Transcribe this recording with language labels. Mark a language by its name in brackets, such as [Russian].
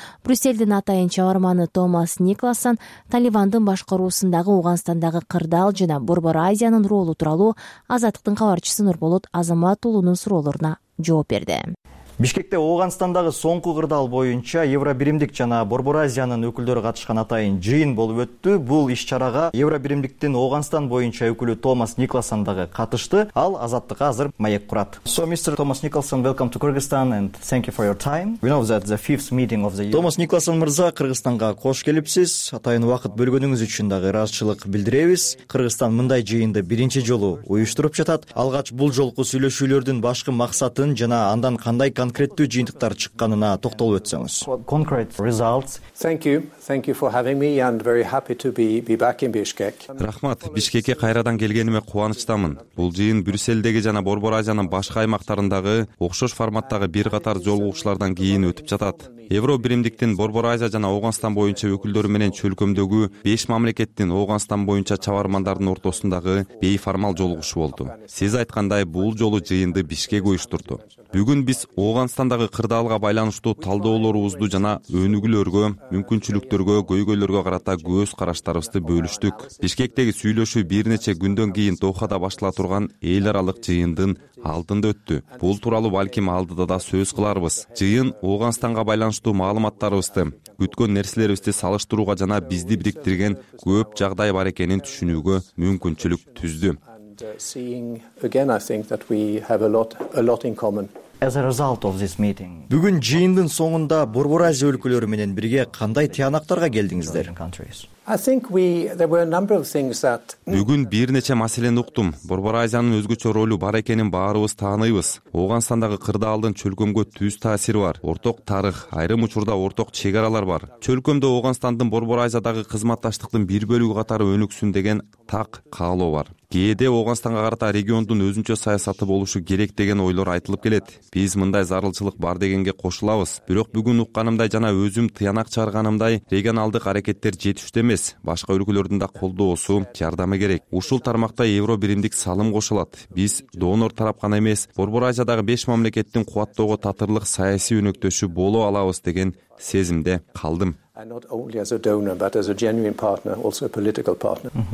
[Kyrgyz] Брюсселдин атайын чыгарманы Томас Никласан Талибандын башкаруусундагы Ооганстандагы кырдаал жана Борбор Азиянын ролу тууралуу Азаттыктын кабарчысы Нурболот Азамат уулунун суроолоруна жооп берди. Бишкекте Оогонстандагы соңку кырдаал боюнча Евробиримдик жана Борбор Азиянын өкүлдөрү катышкан атайын жыйын болуп өттү. Бул иш-чарага Евробиримдиктин Оогонстан боюнча өкүлү Томас Никласан дагы катышты. Ал азаттыкка азыр маек курат. [English] So Mr. Thomas Nicholson, welcome to Kyrgyzstan and thank you for your time. We know that the fifth meeting of the year. [Kyrgyz] Томас Никласан мырза, Кыргызстанга кош келипсиз. Атайын убакыт бөлгөнүңүз үчүн дагы ыраазычылык билдиребиз. Кыргызстан мындай жыйынды биринчи жолу уюштуруп жатат. Алгач бул жолку сүйлөшүүлөрдүн башкы максатын жана андан кандай конкреттүү жыйынтыктар чыкканына токтолуп өтсөңүз. [English] Concrete results. Thank you for having me and very happy to be back in Bishkek. [Kyrgyz] Рахмат, Бишкекке кайрадан келгениме кубанычтамын. Бул жыйын Брюссельдеги жана Борбор Азиянын башка аймактарындагы окшош форматтагы бир катар жолугушуулардан кийин өтүп жатат. Евро биримдиктин Борбор Азия жана Ооганстан боюнча өкүлдөрү менен чөлкөмдөгү 5 мамлекеттин Ооганстан боюнча чабармандардын ортосундагы бейформал жолугушуу болду. Сиз айткандай, бул жолу жыйынды Бишкек уюштурду. Бүгүн биз Оогонстандагы кырдаалга байланыштуу талдоолорубузду жана өнүгүүлөргө, мүмкүнчүлүктөргө, көйгөйлөргө карата көз караштарыбызды бөлүштүк. Бишкектеги сүйлөшүү бир нече күндөн кийин Дохада башкарыла турган эл аралык жыйындын алдында өттү. Бул тууралуу балким алдыда да сөз кыларбыз. Жыйын Ооганстанга байланыштуу маалыматтарыбызды, күткөн нерселерибизди салыштырууга жана бизди бириктирген көп жагдай бар экенин түшүнүүгө мүмкүнчүлүк түздү. [English] Seeing again, I think that we have a lot in common. As a result of this meeting. [Kyrgyz] Бүгүн жыйындын соңунда Борбор Азия өлкөлөрү менен бирге кандай тыянактарга келдиңиздер? [English] I think there were a number of things that [Kyrgyz] Бүгүн бир нече маселени уктум. Борбор Азиянын өзгөчө ролу бар экенин баарыбыз тааныйбыз. Оогонстандагы кырдаалдын чөлкөмгө түз таасири бар. Орток тарых, айрым учурда орток чек аралар бар. Чөлкөмдө Оогонстандын Борбор Азиядагы кызматташтыктын бир бөлүгү катары өнүксүн деген так каалоо бар. Кээде Ооганстанга карата региондун өзүнчө саясаты болушу керек деген ойлор айтылып келет. Биз мындай зарылчылык бар дегенге кошулабыз. Бирок бүгүн укканымдай жана өзүм тыянак чыгарганымдай регионалдык аракеттер жетиштүү эмес. Башка өлкөлөрдүн да колдоосу, жардамы керек. Ушул тармакта Евро биримдик салым кошулат. Биз донор тарап гана эмес, Борбор Азиядагы 5 мамлекеттин кубаттоого татырлык саясий өнөктөшү боло алабыз деген сезимде калдым. [English] And not only as a donor but as a genuine partner, also a political partner.